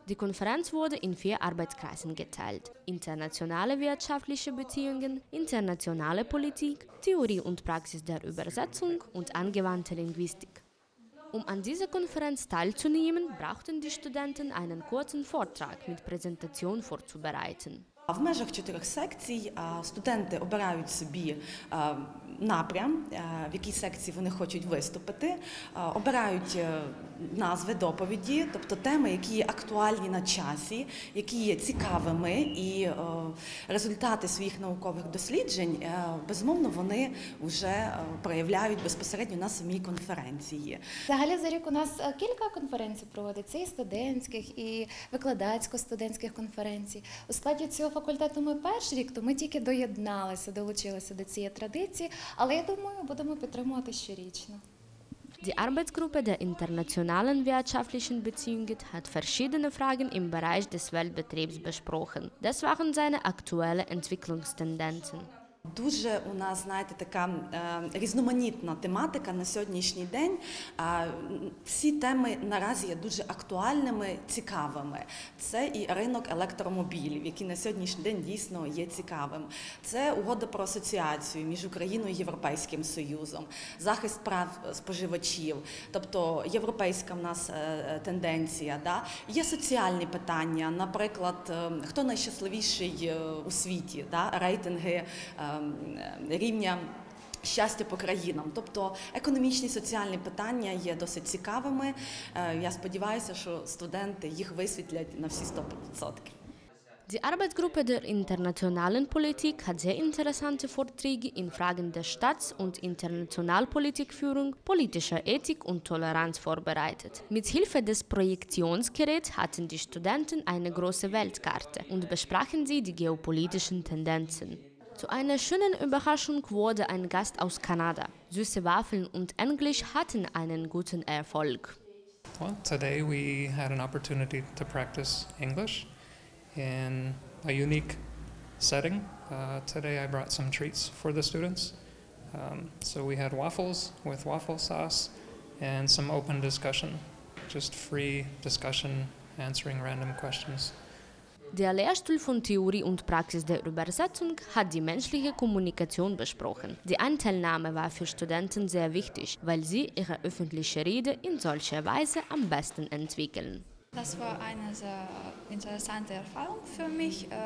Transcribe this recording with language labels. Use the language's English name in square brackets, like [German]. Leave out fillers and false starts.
[German] Die Konferenz wurde in vier Arbeitskreisen geteilt. Internationale wirtschaftliche Beziehungen, internationale Politik, Theorie und Praxis der Übersetzung und angewandte Linguistik. Um an dieser Konferenz teilzunehmen, brauchten die Studenten einen kurzen Vortrag mit Präsentation vorzubereiten. [Ukrainian] В межах чотирьох секцій студенти обирають собі напрям, в якій секції вони хочуть виступити, обирають назви доповіді, тобто теми, які є актуальні на часі, які є цікавими, і результати своїх наукових досліджень, безумовно, вони вже проявляють безпосередньо на самій конференції. Взагалі за рік у нас кілька конференцій проводиться, і студентських, і викладацько-студентських конференцій. У складі цього факультету ми перший рік, то ми тільки доєдналися, долучилися до цієї традиції, але я думаю, будемо підтримувати щорічно. [German] Die Arbeitsgruppe der internationalen wirtschaftlichen Beziehungen hat verschiedene Fragen im Bereich des Weltbetriebs besprochen. Das waren seine aktuelle Entwicklungstendenzen. [Ukrainian] Дуже у нас, знаєте, така різноманітна тематика на сьогоднішній день. Всі теми наразі є дуже актуальними, цікавими. Це і ринок електромобілів, який на сьогоднішній день дійсно є цікавим. Це угода про асоціацію між Україною і Європейським Союзом, захист прав споживачів, тобто європейська в нас тенденція. Да? Є соціальні питання, наприклад, хто найщасливіший у світі, да? Рейтинги рівня щастя по країнам. Тобто економічні, соціальні питання є досить цікавими. Я сподіваюся, що студенти їх висвітлять на всі 100%. [German] Die Arbeitsgruppe der internationalen Politik hat sehr interessante Vorträge in Fragen der Staats- und Internationalpolitikführung, politischer Ethik und Toleranz vorbereitet. Mit Hilfe des Projektionsgeräts hatten die Studenten eine große Weltkarte und besprachen sie die geopolitischen Tendenzen. Zu einer schönen Überraschung wurde ein Gast aus Kanada. Süße Waffeln und Englisch hatten einen guten Erfolg. [English] Well, today we had an opportunity to practice English in a unique setting. Today I brought some treats for the students. So we had waffles with waffle sauce and some open discussion. Just free discussion, answering random questions. [German] Der Lehrstuhl von Theorie und Praxis der Übersetzung hat die menschliche Kommunikation besprochen. Die Anteilnahme war für Studenten sehr wichtig, weil sie ihre öffentliche Rede in solcher Weise am besten entwickeln. Das war eine sehr interessante Erfahrung für mich.